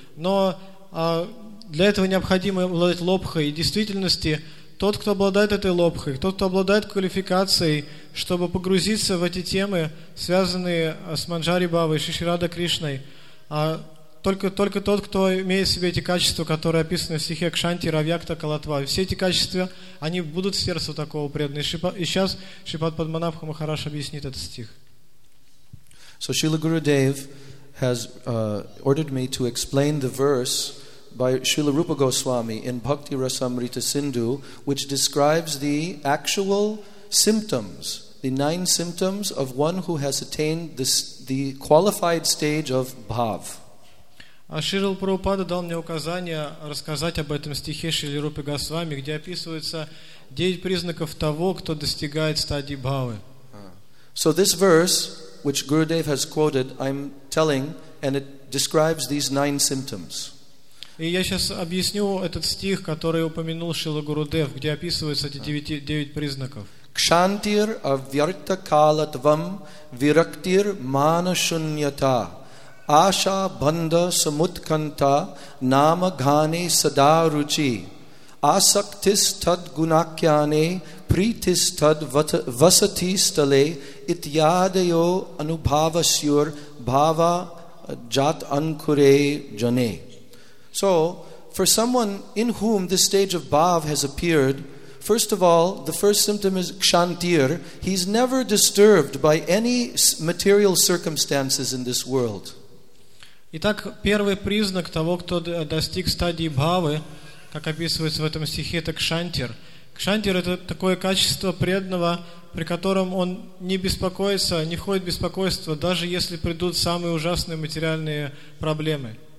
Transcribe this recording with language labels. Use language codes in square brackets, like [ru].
[ru] Но для этого необходимо обладать лобхой. И в действительности, тот, кто обладает этой лобхой, тот, кто обладает квалификацией, чтобы погрузиться в эти темы, связанные с Манджари Бхавой и Шри Радха Кришной, только тот, кто имеет в себе эти качества, которые описаны в стихе Кшанти, Равьякта, Калатва. Все эти качества, они будут в сердце такого преданного. И сейчас Шипад Падманабха Махараш объяснит этот стих. [en] So Srila Gurudev has ordered me to explain the verse by Srila Rupa Goswami in Bhakti Rasamrita Sindhu, which describes the actual symptoms, the 9 symptoms of one who has attained the qualified stage of bhav. [ru] А Шрила Прабхупада дал мне указание рассказать об этом стихе Шрилы Рупы Госвами, где описывается 9 признаков того, кто достигает стадии бхавы. [en] So this verse, which Gurudev has quoted, I'm telling, and it describes these 9 symptoms. [ru] И я сейчас объясню этот стих, который упомянул Шрила Гурудев, где описываются эти 9 признаков. [sa] Кшантир авьярта калатвам вирактир мана шуньята Аша банда самутканта нама гане садаручи Асактистад гунакьяне притистад васати стале итьядайо анубхавасьюр бхава джат анкуре джане. [en] So, for someone in whom this stage of bhav has appeared, first of all, the first symptom is kshantir. He's never disturbed by any material circumstances in this world. [ru] Итак, первый признак того, кто достиг стадии бхавы, как описывается в этом стихе, это кшантир. Кшантир — это такое качество преданного, при котором он не беспокоится, не входит в беспокойство, даже если придут самые ужасные материальные проблемы.